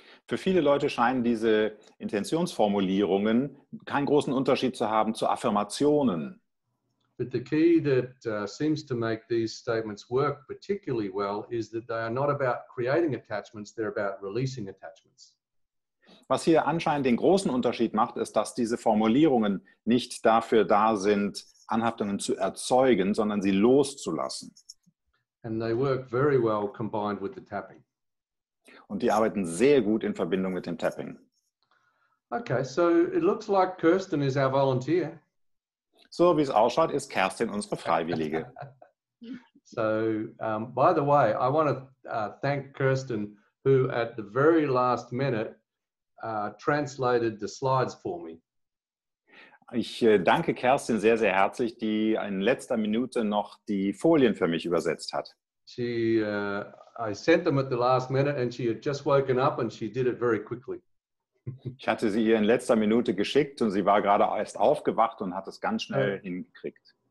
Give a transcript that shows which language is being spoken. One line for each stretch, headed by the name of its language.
German: Für viele Leute scheinen diese Intentionsformulierungen keinen großen Unterschied zu haben zu Affirmationen.
English: But the key that seems to make these statements work particularly well is that they are not about creating attachments, they're about releasing attachments.
German: Was hier anscheinend den großen Unterschied macht, ist, dass diese Formulierungen nicht dafür da sind, Anhaftungen zu erzeugen, sondern sie loszulassen.
English: And they work very well combined with the tapping.
German: Und die arbeiten sehr gut in Verbindung mit dem Tapping.
English: Okay, so it looks like Kirsten is our volunteer.
German: So wie es ausschaut, ist Kerstin unsere Freiwillige.
English: So, by the way, I want to thank Kirsten, who at the very last minute translated the slides for me.
German: Ich danke Kerstin sehr, sehr herzlich, die in letzter Minute noch die Folien für mich übersetzt hat.
English: I sent them at the last minute and she had just woken up and she did it very quickly.
German: Ich hatte sie ihr in letzter Minute geschickt und sie war gerade erst aufgewacht und hat es ganz schnell hingekriegt.